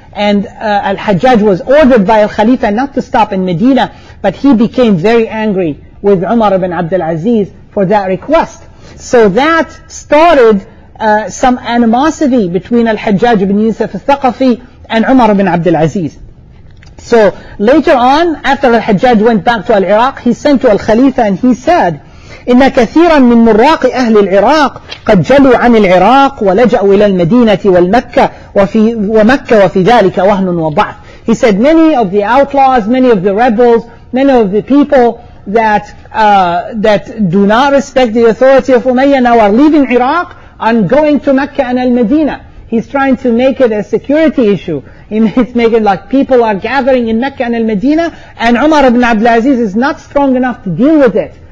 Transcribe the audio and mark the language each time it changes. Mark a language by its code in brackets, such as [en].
[en] And Al-Hajjaj was ordered by Al-Khalifa not to stop in Medina, but he became very angry with Umar ibn Abdul Aziz for that request. So that started some animosity between Al-Hajjaj ibn Yusuf al-Thaqafi and Umar ibn Abdul Aziz. So later on, after Al-Hajjaj went back to Al-Iraq, he sent to Al-Khalifa and he said, [ar] إِنَّ كَثِيرًا مِّن مُرَّاقِ أَهْلِ الْعِرَاقِ قَدْ جَلُوا عَنِ الْعِرَاقِ وَلَجَأُوا إِلَى الْمَدِينَةِ وَمَكَّةِ وَفِي ذَلِكَ وَهْنٌ وَضَعْفٌ. [en] He said, many of the outlaws, many of the rebels, many of the people that do not respect the authority of Umayyah now are leaving Iraq and going to Mecca and Al-Madinah. He's trying to make it a security issue. He means make it like people are gathering in Mecca and Al-Madinah, and Umar ibn Abdul Aziz is not strong enough to deal with it.